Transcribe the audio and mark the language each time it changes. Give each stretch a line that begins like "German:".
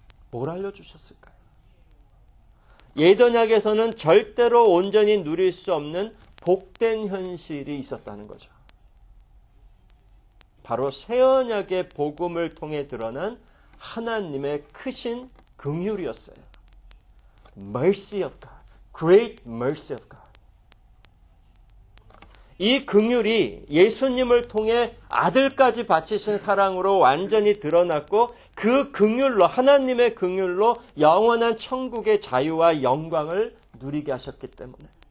Korean: 뭘 알려주셨을까요? 옛 언약에서는 절대로 온전히 누릴 수 없는 복된 현실이 있었다는 거죠. 바로 새 언약의 복음을 통해 드러난 하나님의 크신 긍휼이었어요.
English: Mercy of God. Great mercy of God.
Korean: 이 긍휼이 예수님을 통해 아들까지 바치신 사랑으로 완전히 드러났고 그 긍휼로 하나님의 긍휼로 영원한 천국의 자유와 영광을 누리게 하셨기 때문에